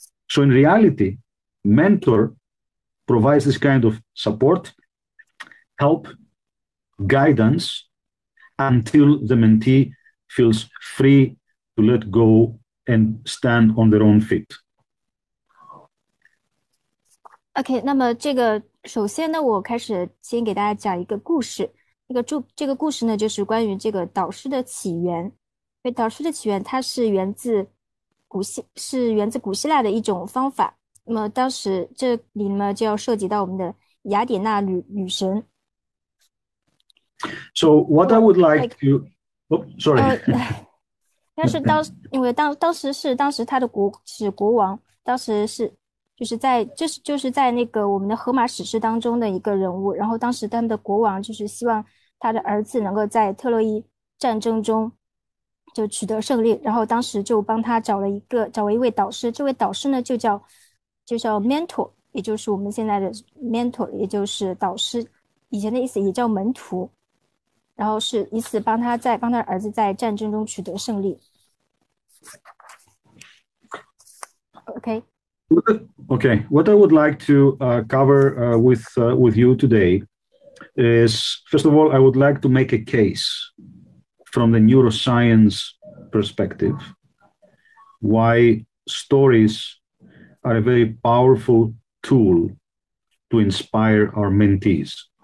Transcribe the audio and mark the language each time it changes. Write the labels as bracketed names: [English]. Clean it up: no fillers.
[English] So in reality, mentor provides this kind of support, help, guidance, until the mentee feels free to let go and stand on their own feet. [Chinese] Okay, 那么这个首先呢，我开始先给大家讲一个故事。这个故事呢，就是关于这个导师的起源。因为导师的起源，它是源自古希，是源自古希腊的一种方法。那么当时这里呢，就要涉及到我们的雅典娜女神。 [English] So what I would like to, sorry. [Chinese] 但是当时他的国是国王，当时是。就是在那个我们的荷马史诗当中的一个人物，然后当时他们的国王就是希望他的儿子能够在特洛伊战争中就取得胜利，然后当时就帮他找了一位导师，这位导师呢就叫 mentor，也就是我们现在的 mentor，也就是导师，以前的意思也叫门徒，然后是以此帮他儿子在战争中取得胜利。 OK。 [English] Okay, what I would like to cover with you today is, first of all, I would like to make a case from the neuroscience perspective why stories are a very powerful tool to inspire our mentees.